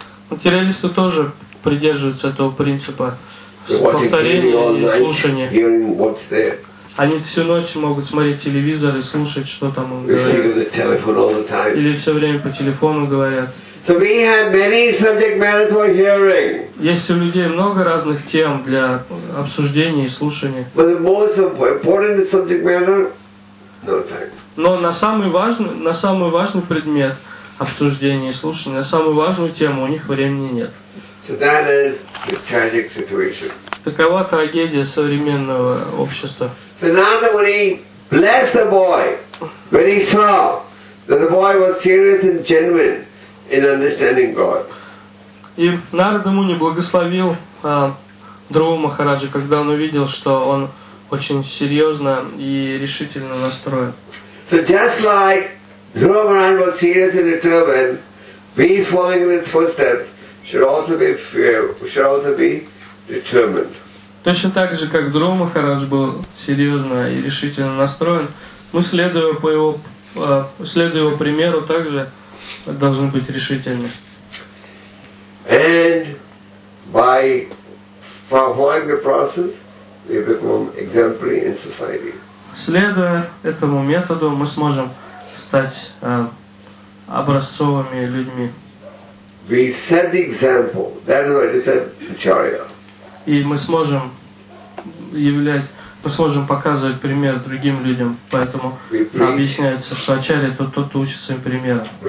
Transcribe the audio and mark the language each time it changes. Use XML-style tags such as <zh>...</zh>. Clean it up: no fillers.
<ru>Материалисты тоже придерживаются этого принципа повторения и слушания. Они всю ночь могут смотреть телевизор и слушать, что там он говорит. Или все время по телефону говорят.</ru> <en>So we have many subject matters for hearing.</en> <ru>Есть у людей много разных тем для обсуждения и слушания.</ru> <en>But the most important subject matter, no time.</en> <ru>Но на самый важный предмет обсуждения и слушания, на самую важную тему у них времени нет.</ru> <en>So that is the tragic situation.</en> <ru>Такова трагедия современного общества.</ru> <en>So Narada Muni blessed the boy when he saw that the boy was serious and genuine in understanding God.</en> <ru>И Нарада Муни благословил Друву Махараджа, когда он увидел, что он очень серьезно и решительно настроен.</ru> <en>So just like Druva Maharaj was serious and determined, we following in his footsteps should also be determined.</en> <ru>Точно так же, как Друва Махарадж был серьезно и решительно настроен, мы, следуя его примеру, также должны быть решительны.</ru> <en>And by following the process, we become exemplary in society.</en> <ru>Следуя этому методу, мы сможем стать образцовыми людьми.</ru> <en>We set the example. That is what it said, Acharya.</en> <ru>И мы сможем показывать пример другим людям, поэтому объясняется, что Ачарья — это тот, кто учит своим примером.</ru>